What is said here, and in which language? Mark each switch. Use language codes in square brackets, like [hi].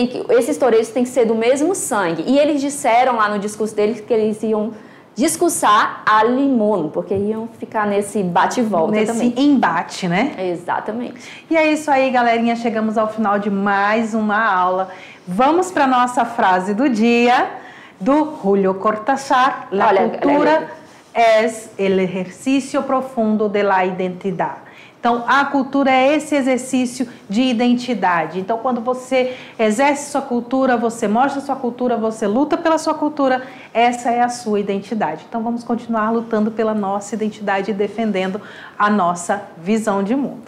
[pt] esses toureiros têm que ser do mesmo sangue. E eles disseram lá no discurso deles que eles iam discursar a Limón, porque iam ficar nesse bate e volta nesse também. Nesse embate, né? Exatamente. E é isso aí, galerinha. Chegamos ao final de mais uma aula. Vamos para a nossa frase do dia, do Julio Cortázar. [es] La cultura es el ejercicio profundo de la identidad. [pt] Então, a cultura é esse exercício de identidade. Então, quando você exerce sua cultura, você mostra sua cultura, você luta pela sua cultura, essa é a sua identidade. Então, vamos continuar lutando pela nossa identidade e defendendo a nossa visão de mundo.